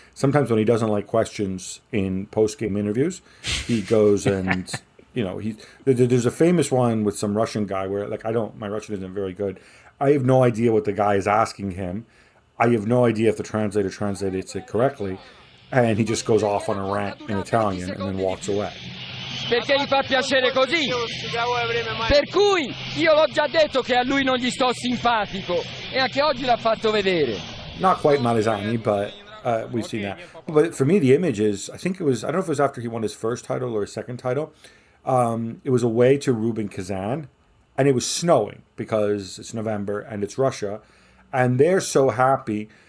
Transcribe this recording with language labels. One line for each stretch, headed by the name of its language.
English: Sometimes when he doesn't like questions in post game interviews, he goes and there's a famous one with some Russian guy where my Russian isn't very good. I have no idea what the guy is asking him. I have no idea if the translator translated it correctly, and he just goes off on a rant in Italian and then walks away.
Italian: Perché gli fa piacere così? Per cui io l'ho già detto che a lui non gli sto simpatico e anche oggi l'ha fatto vedere.
English: Not quite Malizani, but we've seen that. But for me, the image is, I don't know if it was after he won his first title or his second title. It was away to Rubin Kazan, and it was snowing because it's November and it's Russia, and they're so happy.